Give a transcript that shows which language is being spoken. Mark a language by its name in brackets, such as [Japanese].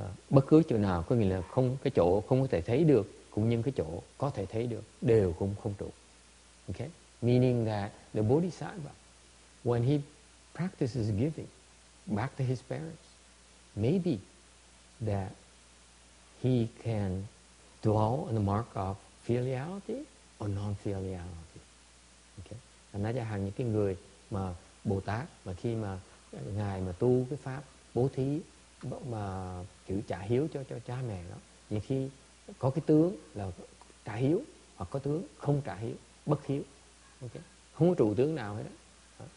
[Vietnamese] Bất cứ chỗ nào, có nghĩa là không, cái chỗ không có thể thấy được, cũng như cái chỗ có thể thấy được, đều cũng không trụ. [English] Okay? Meaning that the Bodhisattva, when he practices giving back to his parents, maybe that he can dwell on the mark of filiality or non-filiality. Okay? [Vietnamese] Thành ra chẳng hạn những cái người mà Bồ Tát, mà khi mà Ngài mà tu cái pháp bố thí, mà chữ trả hiếu cho cha mẹ đó, nhưng khi có cái tướng là trả hiếu, hoặc có tướng không trả hiếu, bất hiếu, okay, không có trụ tướng nào hết đó.